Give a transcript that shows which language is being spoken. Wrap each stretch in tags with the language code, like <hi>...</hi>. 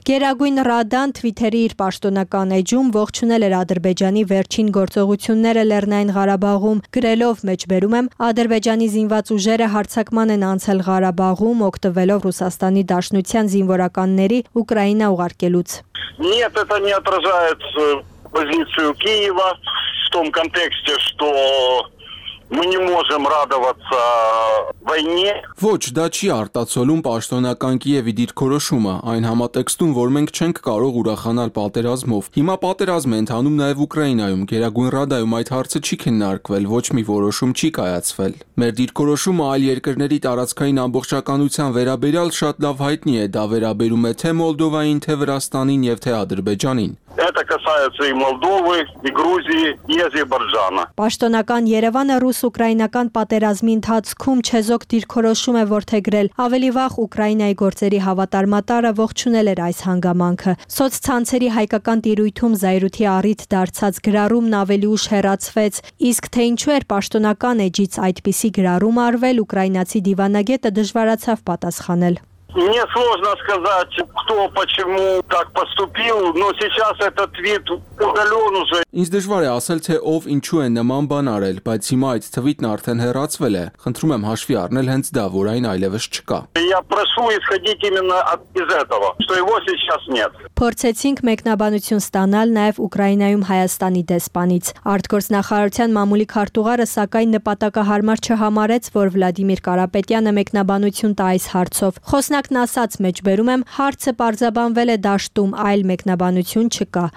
<hy>Գերագույն Ռադան Թվիտերի իր պաշտոնական էջում ողջունել էր Ադրբեջանի վերջին գործողությունները Լեռնային Ղարաբաղում, գրելով. «Մեջբերում եմ, Ադրբեջանի զինված ուժերը հարձակման են անցել Ղարաբաղում, օգտվելով Ռուսաստանի Դաշնության զինվորականների Ուկրաինա ուղարկելուց»։</hy> <ru>Нет, это не отражает позицию Киева в том контексте, что мы не можем радоваться войне.</ru> <hy>Ոչ, դա չի արտացոլում պաշտոնական Կիևի դիրքորոշումը, այն համատեքստում, որ մենք չենք կարող ուրախանալ պատերազմով։ Հիմա պատերազմը ընթանում նաև Ուկրաինայում, Գերագույն Ռադայում այդ հարցը չի քննարկվել, ոչ մի որոշում չի կայացվել։ Մեր դիրքորոշումը այլ երկրների տարածքային ամբողջականության վերաբերյալ շատ լավ հայտնի է, դա վերաբերում է թե Մոլդովային, թե Վրաստանին և թե Ադրբեջանին։</hy> <ru>Это касается и Молдовы, и Грузии, и Азербайджана.</ru> <hy>Պաշտոնական Երևանը ռուս-ուկրաինական պատերազմի ընթացքում չեզոք դիրքորոշում է որդեգրել։ Ավելի վաղ Ուկրաինայի գործերի հավատարմատարը ողջունել էր այս հանգամանքը։ Սոցցանցերի հայկական տիրույթում Զայրութի առիթ դարձած գրառումն ավելի ուշ հեռացվեց, իսկ թե ինչու էր պաշտոնական էջից այդպիսի գրառում արվել, ուկրաինացի դիվանագետը դժվարացավ պատասխանել։</hy> <ru>Мне сложно сказать, кто почему так поступил, но сейчас этот твит удален уже.</ru> <hy>Ինձ դժվար է ասել, թե ով ինչու է նման բան արել, բայց հիմա այդ թվիտն արդեն հեռացվել է։ Խնդրում եմ հաշվի առնել հենց դա, որ այն այլևս չկա։</hy> <ru>Я прошу исходить именно из этого, что его сейчас нет.</ru> <hy>Փորձեցինք մեկնաբանություն ստանալ նաև Ուկրաինայում Հայաստանի դեսպանից։ Արտգործնախարարության մամուլի քարտուղարը սակայն նպատակահարմար չհամարեց, որ Վլադիմիր Կարապետյանը մեկնաբանություն տա այս հարցով։ Խոսնակն ասաց, մեջբերում եմ, հարցը պարզաբանվել է դաշտում, այլ մեկնաբանություն չկա։</hy>